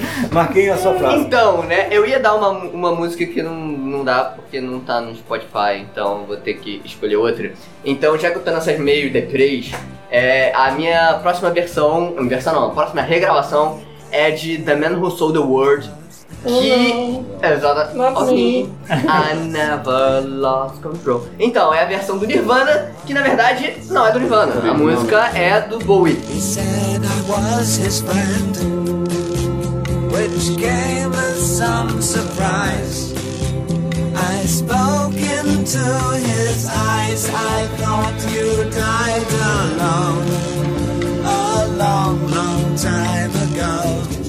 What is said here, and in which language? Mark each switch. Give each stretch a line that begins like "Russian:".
Portuguese: Marquei a sua frase. Então, né? Eu ia dar uma música que não dá porque não tá no Spotify, então vou ter que escolher outra. Então, já que eu tô nessas meio deprês, a minha próxima versão. Versão não, a próxima regravação é de The Man Who Sold the World. Que
English: I never lost control.
Portuguese: Então, é a versão do Nirvana, que na verdade não é do Nirvana. A música é do Bowie.
English: He said I was his friend, which gave us some surprise. I spoke into his eyes. I thought you died alone a long, long time ago.